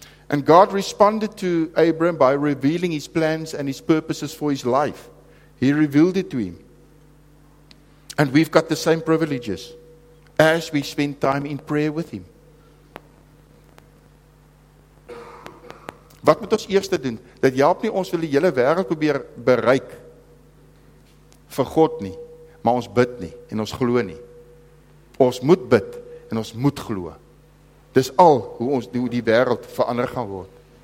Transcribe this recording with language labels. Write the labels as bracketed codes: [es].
[en] And God responded to Abraham by revealing his plans and his purposes for his life. He revealed it to him. And we've got the same privileges as we spend time in prayer with him. [af] Wat moet ons eers doen? Dit help nie ons wil die hele wêreld probeer bereik vir God nie, maar ons bid nie en ons glo nie. Ons moet bid en ons moet glo. Dis al hoe ons hoe die wêreld verander gaan word.